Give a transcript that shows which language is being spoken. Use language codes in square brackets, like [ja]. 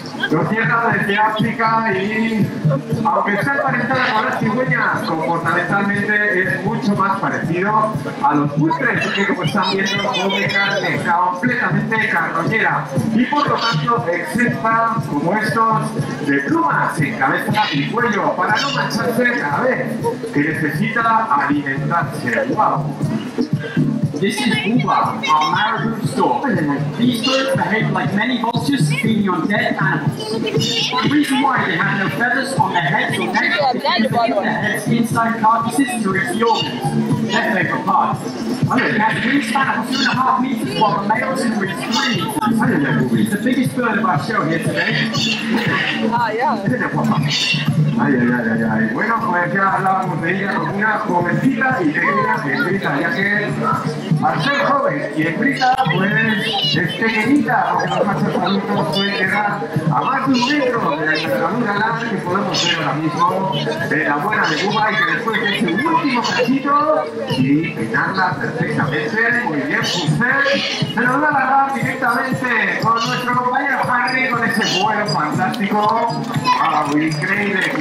[es] Los tierras desde África y, aunque está emparentada con las cigüeñas, comportamentalmente es mucho más parecido a los buitres, que como están viendo, son de carne completamente carroñera y por lo tanto exenta como estos de plumas en cabeza y cuello para no mancharse cada vez que necesita alimentarse. ¡Wow! [en] This is Uba, our marabou stork. These birds behave like many vultures, feeding on dead animals. The reason why they have no feathers on their heads or neck is because their heads inside carcasses to reach the organs. Their favorite part. It has a wingspan of 2.5 meters, while the male can reach 3 meters. It's the biggest bird of our show here today. [es] Ay, ay, ay, ay, ay. Bueno, pues ya hablábamos de ella con una jovencita y pequeña hembrita, ya que al ser joven y hembrita, pues es pequeñita, porque los machos adultos pueden llegar a más de 1 metro de la envergadura larga que podemos ver ahora mismo de la buena de Cuba, y que después de ese último cachito y peinarla perfectamente, muy bien, usted se lo va a dar directamente con nuestro compañero Harry, con ese vuelo fantástico, wow, increíble.